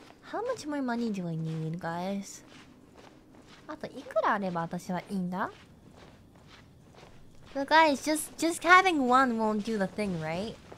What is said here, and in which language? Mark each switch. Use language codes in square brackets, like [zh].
[en] How much more money do I need, guys? [ja] あといくらあれば私はいいんだ? [en] But guys, just having one won't do the thing, right?